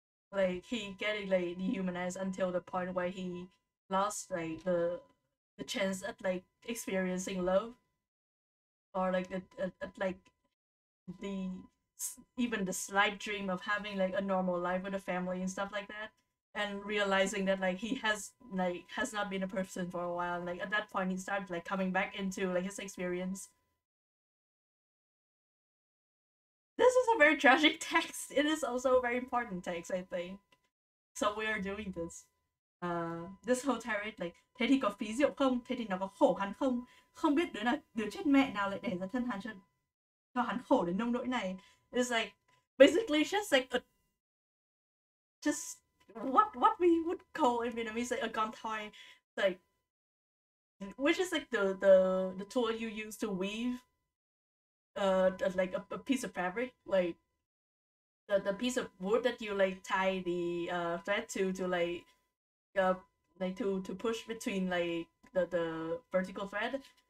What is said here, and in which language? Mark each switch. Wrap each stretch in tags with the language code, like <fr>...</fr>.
<en>Like he getting like dehumanized until the point where he lost like the chance at like experiencing love, or like at like the even the slight dream of having like a normal life with a family and stuff like that, and realizing that like he has not been a person for a while, and like at that point he started like coming back into like his experience. This is a very tragic text. It is also a very important text, I think. So we are doing this. This whole tirade like</en> <vi>thế thì có phí rượu không, thế thì nó có khổ hắn không, không biết đứa nào đứa chết mẹ nào lại đẻ ra thân hắn cho cho hắn khổ đến nông nỗi này.</vi> <en>It's like basically just like a just what we would call in Vietnamese like a con thoi, like which is like the tool you use to weave like a piece of fabric, like the piece of wood that you like tie the thread to like to push between like the vertical thread.</en>